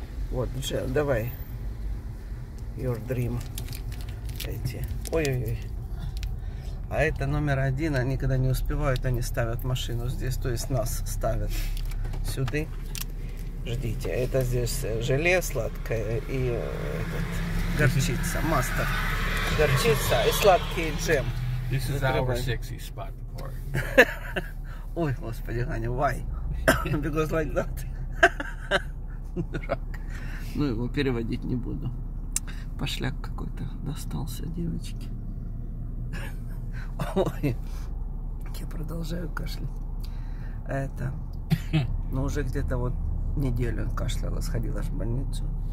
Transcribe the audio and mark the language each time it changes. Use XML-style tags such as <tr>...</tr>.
<ru>Вот, Джелл, давай.</ru> <en>Your dream.</en> <ru>Эти. Ой-ой-ой. А это номер один, они когда не успевают, они ставят машину здесь, то есть нас ставят сюда. Ждите, это здесь желе сладкое и этот, горчица, мастер. Горчица и сладкий джем.</ru> <en>This is our sexy spot for.</en> <ru>Ой, господи, Аня, why?</ru> <en>Because like that.</en> <ru>Ну, его переводить не буду. Пошляк какой-то достался девочке. Ой, я продолжаю кашлять. Это, ну, уже где-то вот неделю кашляла, сходила в больницу.</ru>